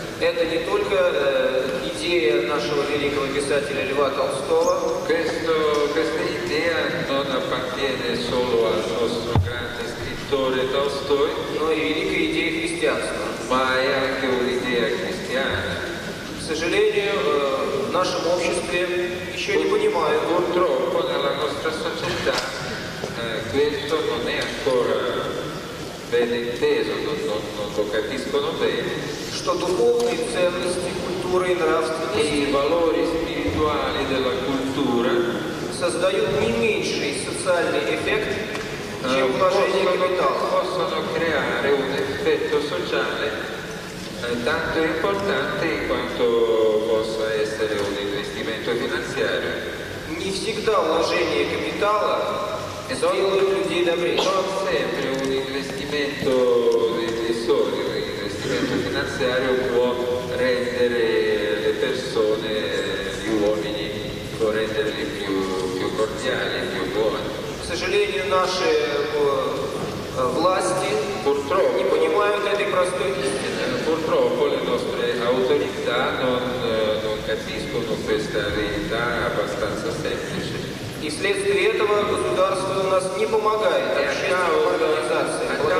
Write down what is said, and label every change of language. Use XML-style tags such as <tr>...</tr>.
<ru>Это не только идея нашего великого писателя Льва Толстого.</ru> <it>Questa idea non appartiene solo al nostro grande scrittore Толстой.</it> <ru>Но и великая идея христианства.</ru> <it>Ma è anche un'idea cristiana.</it> <ru>К сожалению, в нашем обществе еще не понимают.</ru> <it>Purtroppo nella nostra società questo non è ancora ben inteso, non lo capiscono bene.</it> <ru>Что духовные ценности, культуры и нравственности</ru> <it>и valori spirituali della cultura</it> <ru>создают не меньший социальный эффект, чем вложение капитала.</ru> <it>Possono creare un effetto sociale tanto importante quanto possa essere un investimento finanziario. Не всегда вложение капитала сделает людей добрее. Non sempre un investimento di soldi. L'investimento finanziario può rendere le persone, gli uomini, può renderli più cordiali, più buoni.</it> <ru>К сожалению, наши власти не понимают этой простой истины.</ru> <it>Purtroppo le nostre autorità non capiscono questa verità abbastanza semplice.</it> <ru>И вследствие этого государство у нас не помогает общественным организациям.</ru>